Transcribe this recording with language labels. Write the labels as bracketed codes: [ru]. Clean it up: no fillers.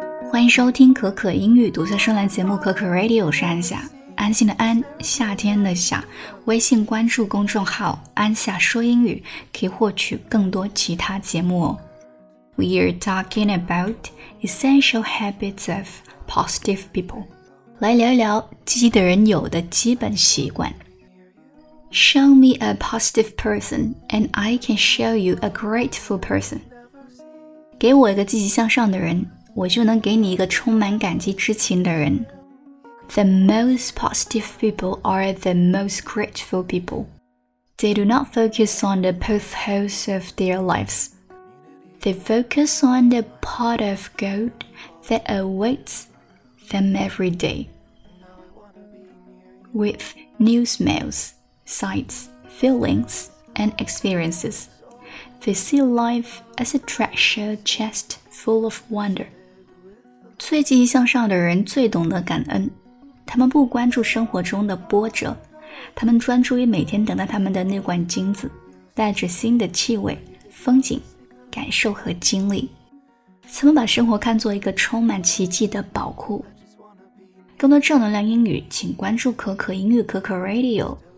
[zh] 欢迎收听可可英语独特声浪节目可可 Radio， 是安夏，安心的安，夏天的夏。微信关注公众号安夏说英语，可以获取更多其他节目哦。 [en] We are talking about essential habits of positive people. [zh] 来聊一聊积极的人有的基本习惯。 [en] Show me a positive person, and I can show you a grateful person. 给我一个积极向上的人，我就能给你一个充满感激之情的人。 The most positive people are the most grateful people. They do not focus on the potholes of their lives. They focus on the pot of gold that awaits them every day. With new smellsSights, feelings, and experiences. They see life as a treasure chest full of wonder. [zh] 最积极向上的人最懂得感恩。他们不关注生活中的波折，他们专注于每天等待他们的那罐金子，带着新的气味、风景、感受和经历。他们把生活看作一个充满奇迹的宝库。更多正能量英语，请关注可可英语可可 Radio。